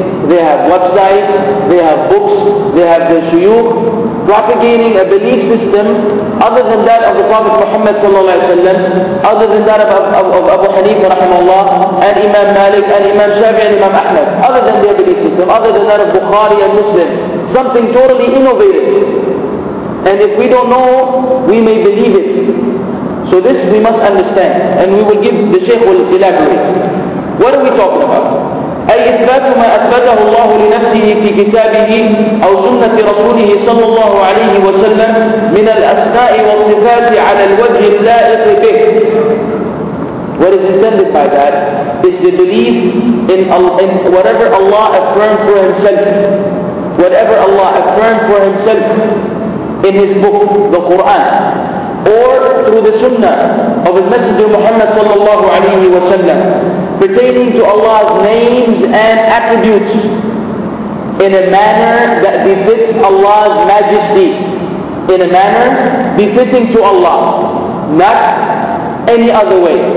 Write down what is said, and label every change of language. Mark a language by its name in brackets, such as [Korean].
[English] They have websites, they have books, they have their shuyukh, propagating a belief system other than that of the Prophet Muhammad sallallahu alaihi wasallam, other than that of Abu Hanifa rahimahullah, and Imam Malik, and Imam Shafi'i, and Imam Ahmad, other than their belief system, other than that of Bukhari and Muslim, something totally innovative. And if we don't know, we may believe it. So this we must understand, and we will give, the Shaykh will elaborate. What are we talking about? [Arabic] أي إثبات ما أثبته الله لنفسه في كتابه أو سنة رسوله صلى الله عليه وسلم من الأسماء والصفات على الوجه اللائق به. [English] What is intended by that is the belief in whatever Allah affirmed for Himself, whatever Allah affirmed for Himself in His book, the Quran, or through the Sunnah of His Messenger Muhammad sallallahu alaihi wasallam, pertaining to Allah's names and attributes in a manner that befits Allah's majesty, in a manner befitting to Allah, not any other way.